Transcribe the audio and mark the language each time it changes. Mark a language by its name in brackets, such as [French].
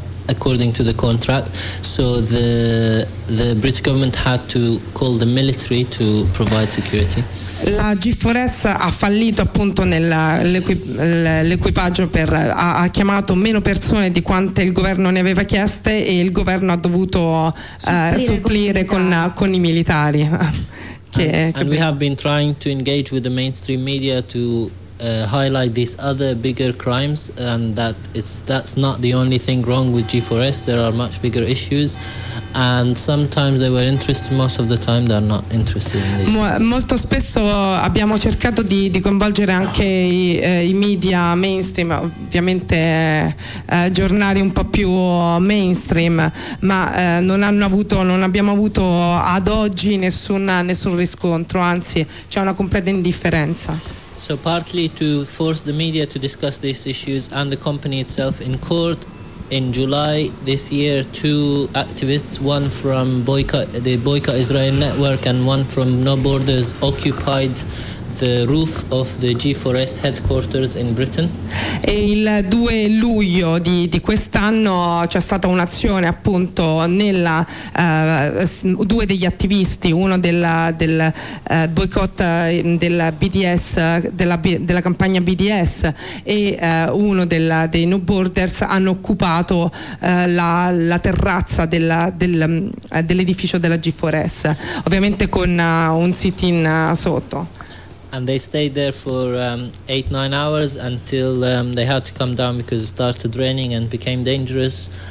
[English] according to the contract. So the British government had to call the military to provide security. [Italian] La G4S ha fallito appunto nell'equipaggio ha chiamato meno persone di quante il governo ne aveva chieste e il governo ha dovuto supplire con i militari. [English] And we have been trying to engage with the mainstream media to highlight these other bigger crimes, and that's not the only thing wrong with G4S. There are much bigger issues, and sometimes they were interested. Most of the time, they are not interested in this. [Italian] Molto spesso abbiamo cercato di coinvolgere anche i media mainstream, ovviamente giornali un po' più mainstream, ma non abbiamo avuto ad oggi nessun riscontro. Anzi, c'è una completa indifferenza. [English] So partly to force the media to discuss these issues and the company itself in court. In July this year, two activists, one from the Boycott Israel Network and one from No Borders, occupied the roof of the G4S headquarters in Britain. [Italian] E il 2 luglio di quest'anno c'è stata un'azione appunto nella due degli attivisti, uno del boycott del BDS, della campagna BDS e uno dei No Borders hanno occupato la terrazza dell'edificio della G4S, ovviamente con un sit-in sotto. [English] And they stayed there for 8-9 hours until they had to come down because it started raining and became dangerous.